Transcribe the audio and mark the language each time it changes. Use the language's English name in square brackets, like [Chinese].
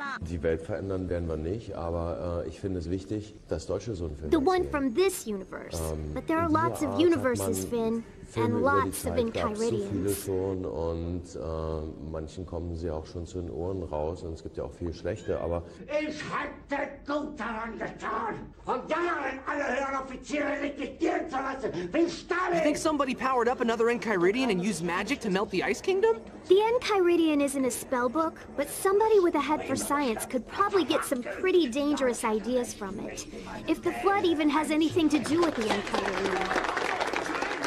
[German] Die Welt verändern werden wir nicht, aber ich finde es wichtig, dass deutsche so einen Film [English] The one sehen. From this universe. But there are lots of universes, Finn, and lots of Enchiridions. [German] Und manchen kommen sie auch schon zu den Ohren raus, und es gibt ja auch viel schlechte, aber... Ich hätte gut daran getan, um darin alle höheren Offiziere registrieren zu lassen, wie Stalin! [English] You think somebody powered up another Enchiridion and used magic to melt the Ice Kingdom? The Enchiridion isn't a spellbook, but somebody with a head for science could probably get some pretty dangerous ideas from it. If the Flood even has anything to do with the Enchiridion.